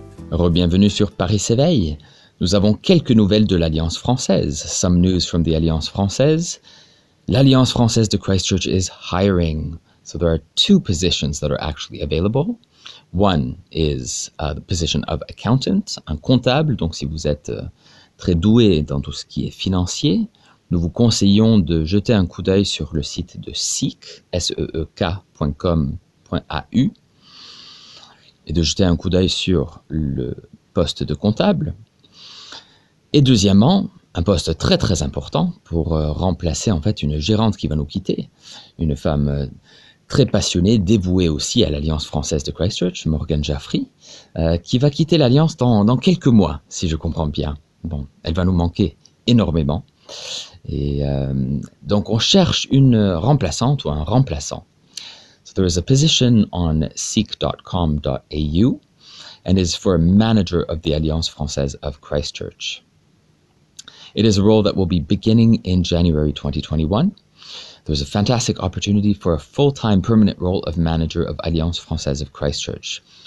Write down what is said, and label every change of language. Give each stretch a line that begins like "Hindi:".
French: Re-bienvenue sur Paris s'éveille. Nous avons quelques nouvelles de l'Alliance française.
English: Some news from the Alliance française. L'Alliance Française de Christchurch is hiring. So there are two positions that are actually available. One is the position of accountant,
French: un comptable. Donc si vous êtes très doué dans tout ce qui est financier, nous vous conseillons de jeter un coup d'œil sur le site de SEEK, SEEK.com.au, et de jeter un coup d'œil sur le poste de comptable. Et deuxièmement, un poste très très important pour remplacer en fait une gérante qui va nous quitter, une femme très passionnée, dévouée aussi à l'Alliance française de Christchurch, Morgane Jaffry, qui va quitter l'Alliance dans quelques mois, si je comprends bien. Bon, elle va nous manquer énormément. Et donc on cherche une remplaçante ou un remplaçant.
English: So there is a position on seek.com.au and is for a manager of the Alliance française of Christchurch. It is a role that will be beginning in January 2021. There's a fantastic opportunity for a full-time permanent role of manager of Alliance Française of Christchurch.